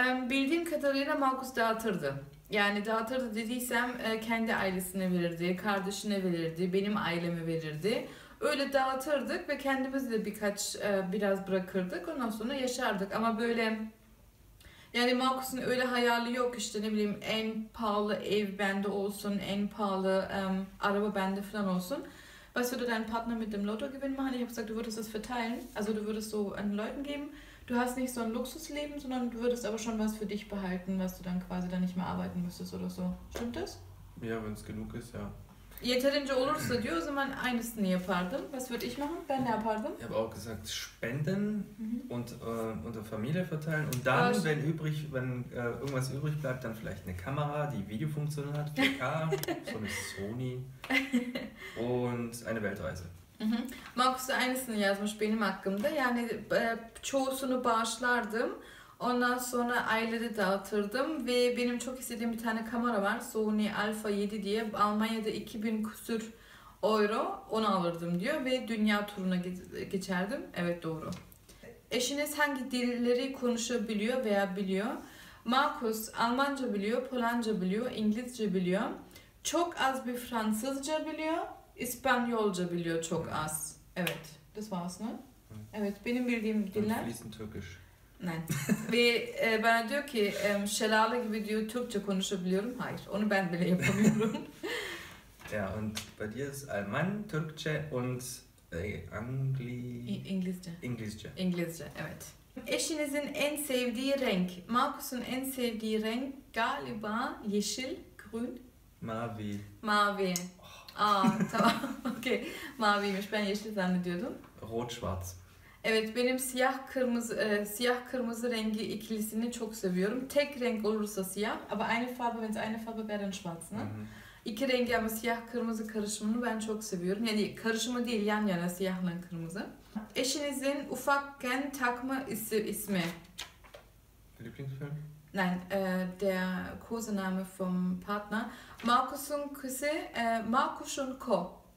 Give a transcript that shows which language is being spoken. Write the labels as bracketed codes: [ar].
[tr] Bildiğim kadarıyla Markus dağıtırdı. Yani dağıtırdı dediysem kendi ailesine verirdi, kardeşine verirdi, benim aileme verirdi. Öyle dağıtırdık ve kendimiz de birkaç biraz bırakırdık. Ondan sonra yaşardık ama böyle yani Markus'un öyle hayali yok işte ne bileyim en pahalı ev bende olsun, en pahalı araba bende falan olsun. [de] Was würde dein Partner mit dem Lotto gewinnen? Ich habe gesagt, du würdest es verteilen, also du würdest so an Leuten geben. Du hast nicht so ein Luxusleben, sondern du würdest aber schon was für dich behalten, was du dann quasi dann nicht mehr arbeiten müsstest oder so. Stimmt das? Ja, wenn es genug ist, ja. [tr] Yeterince olursa diyor, o zaman aynısını yapardım. [de] Was würde ich machen? [tr] Ben ne yapardım? [de] Ich habe auch gesagt, spenden und unter Familie verteilen und dann, was? Wenn übrig, wenn irgendwas übrig bleibt, dann vielleicht eine Kamera, die Videofunktion hat, 4K, so eine Sony und eine Weltreise. [tr] Markus da aynısını yazmış benim hakkımda. Yani çoğusunu bağışlardım. Ondan sonra aileyi dağıtırdım. Ve benim çok istediğim bir tane kamera var. Sony Alpha 7 diye. Almanya'da 2000 küsur euro. Onu alırdım diyor. Ve dünya turuna geçerdim. Evet doğru. Eşiniz hangi dilleri konuşabiliyor veya biliyor? Markus Almanca biliyor, Polonca biliyor, İngilizce biliyor. Çok az bir Fransızca biliyor. İspanyolca biliyor çok az. Evet, [de] das war's, [tr] ne? Evet, benim bildiğim diller... [de] Fließend Türkisch. Nein. [tr] Ve bana diyor ki, şelale gibi diyor, Türkçe konuşabiliyorum. Hayır, onu ben bile yapamıyorum. [de] Ja, und bei dir ist [tr] Alman, Türkçe [de] und İngilizce. [tr] İngilizce, evet. Eşinizin en sevdiği renk. Markus'un en sevdiği renk galiba yeşil, grün. Mavi. Mavi. Aa, tamam. Okay. Maviymiş. Ben yeşil zannediyordum. [de] Rot-schwarz. [tr] Evet, benim siyah kırmızı rengi ikilisini çok seviyorum. Tek renk olursa siyah, ama aynı [de] farbe, wenn es eine Farbe wäre, dann schwarz, ne? [tr] İki rengi ama siyah kırmızı karışımını ben çok seviyorum. Yani karışımı değil, yan yana siyahla kırmızı. Eşinizin ufakken takma ismi. [de] Lieblingsfilm? Nein, der Kosename vom Partner. Markus und Küsse, Markus und Co.